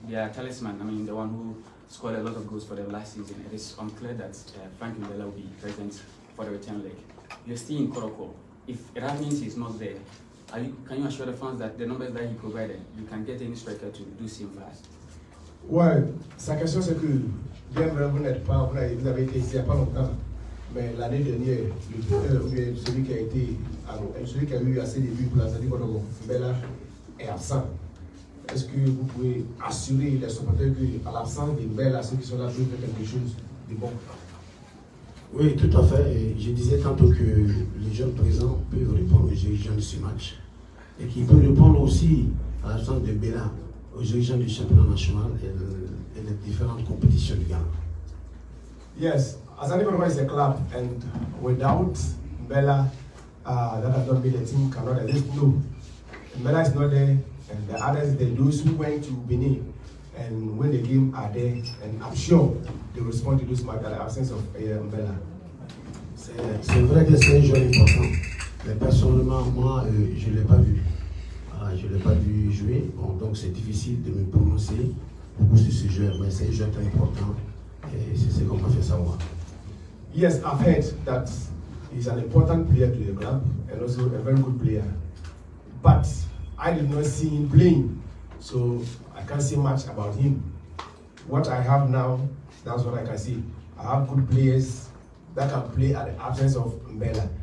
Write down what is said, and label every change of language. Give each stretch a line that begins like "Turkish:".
English: They are a talisman, I mean, the one who scored a lot of goals for them last season. It is unclear that Frank Mbella will be present for the return leg. You're still in Kotoko. If Ravins is not there, can you assure the fans that the numbers that he provided, you can get any striker to do same fast?
French: Well, sa question c'est que bien vrai vous n'êtes pas vrai, vous avez été ici il n'y a pas longtemps, mais l'année dernière, le joueur, celui qui a eu assez de buts pour la Zadie Kotoko, Mbella, est absent. Est-ce que vous pouvez assurer les supporters que à l'absence de Mbella, ceux qui sont là jouent quelque chose de bon? Oui, tout à fait. Et je disais tantôt que les jeunes présents peuvent répondre aux exigences de ce match. Et qu'ils peuvent répondre aussi à l'absence de Béla, aux exigences du championnat national et les différentes compétitions du Ghana.
English: Yes, Asante Kotoko is a club and without Béla, that has not been the team cannot exist. No. Béla is not there and the others, those who went to Benin and win the game are there and I'm sure respond to this match in the absence of Mbella.
French: C'est vrai que c'est un joueur important, mais personnellement, moi, je ne l'ai pas vu. Je ne l'ai pas vu jouer, bon, donc c'est difficile de me prononcer beaucoup sur ce jeu, mais c'est un jeu très important et c'est ce qu'on m'a fait savoir.
English: Yes, I've heard that he's an important player to the club and also a very good player. But I did not see him playing, so I can't say much about him. What I have now, that's what I can see. I have good players that can play at the absence of Mbella.